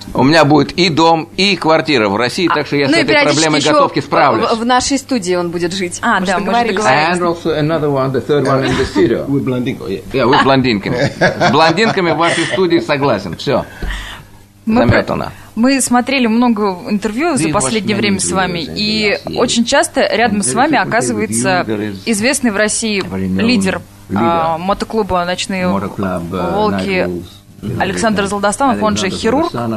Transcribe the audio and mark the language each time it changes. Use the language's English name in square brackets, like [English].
[Russian] У меня будет и дом, и квартира в России, так что я с этой проблемой готовки справлюсь. В нашей студии он будет жить. А, да, мы же договорились. [English] And also another one, the third one in the studio. With блондинками. Yeah, with блондинками. [Russian] С блондинками в вашей студии согласен. Все. Заметано. Мы смотрели много интервью за последнее время с вами, и очень часто рядом с вами оказывается известный в России лидер мотоклуба «Ночные волки» Александр Золдостанов, он же хирург.